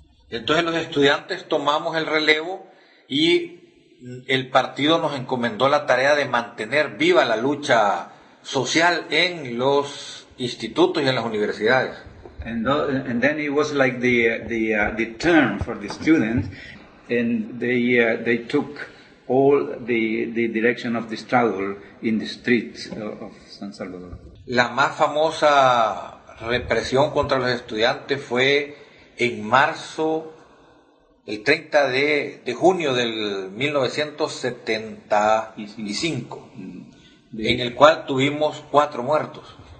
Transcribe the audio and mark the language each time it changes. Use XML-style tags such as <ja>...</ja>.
<es>Entonces los estudiantes tomamos el relevo y el partido nos encomendó la tarea de mantener viva la lucha social en los institutos y en las universidades.</es> <en>And then it was like the turn for the students, and they took all the direction of the struggle in the streets of San Salvador.</en> <es>La más famosa represión contra los estudiantes fue en marzo, el 30 de junio del 1975, en el cual tuvimos 4 muertos.</es>